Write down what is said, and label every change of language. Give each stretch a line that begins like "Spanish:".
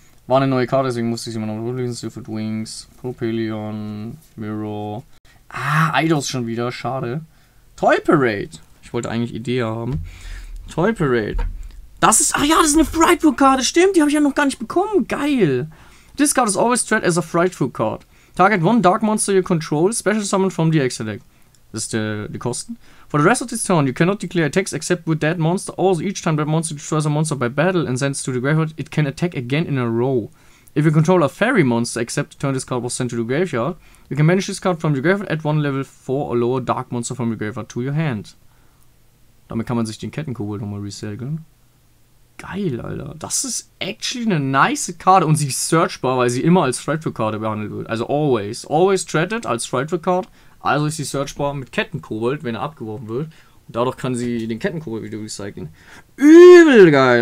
German: War eine neue Karte, deswegen musste ich sie immer noch durchlesen. Silver Wings, Propelion, Mirror. Ah, Eidos schon wieder, schade. Toy Parade. Ich wollte eigentlich Idee haben. Toy Parade. Das ist, ach ja, das ist eine Frightful-Karte, stimmt. Die habe ich ja noch gar nicht bekommen, geil.
English: This card is always treated as a Frightful-Card. Target one dark monster you control, special summon from the extra deck.
German: Das ist die Kosten.
English: For the rest of this turn, you cannot declare attacks except with that monster. Also, each time that monster destroys a monster by battle and sends to the graveyard, it can attack again in a row. If you control a fairy monster except the turn this card was sent to the graveyard, you can banish this card from your graveyard at one level 4 or lower dark monster from your graveyard to your hand.
German: Damit kann man sich den Kettenkobold nochmal recyceln. Geil, Alter. Das ist actually eine nice Karte und sie ist searchbar, weil sie immer als Threadfield-Karte behandelt wird. Also always. Always threaded als Threadfield-Card. Also ist sie searchbar mit Kettenkobold, wenn er abgeworfen wird. Und dadurch kann sie den Kettenkobold wieder recyceln. Übel geil.